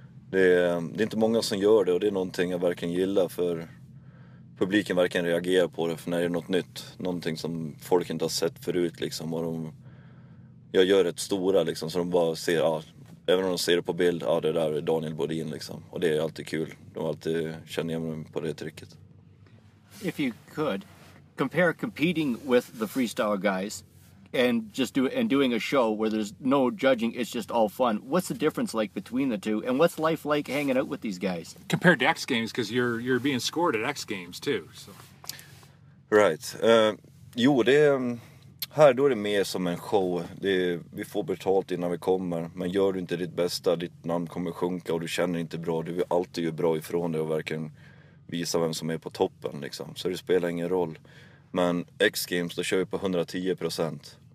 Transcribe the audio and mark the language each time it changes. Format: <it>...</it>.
<sv>Det är inte många som gör det, och det är någonting jag verkligen gillar, för publiken verkligen reagerar på det, för när det är något nytt, någonting som folk inte har sett förut liksom, och jag gör rätt stora liksom, så de bara ser även om de ser det på bild, ja, det där är Daniel Bodin liksom. Och det är alltid kul. De alltid känner igen mig på det trycket.</sv> <en>If you could compare competing with the freestyle guys and just doing a show where there's no judging, it's just all fun. What's the difference like between the two, and what's life like hanging out with these guys? Compared to X Games, because you're being scored at X Games too. So. Right.</en> <sv>Jo, det här då är det mer som en show. Det är, vi får betalt innan vi kommer. Men gör du inte ditt bästa, ditt namn kommer sjunka och du känner inte bra. Du vill alltid göra bra ifrån dig och verkligen visa vem som är på toppen. Liksom. Så det spelar ingen roll. Men X Games, då kör vi på 110%.</sv>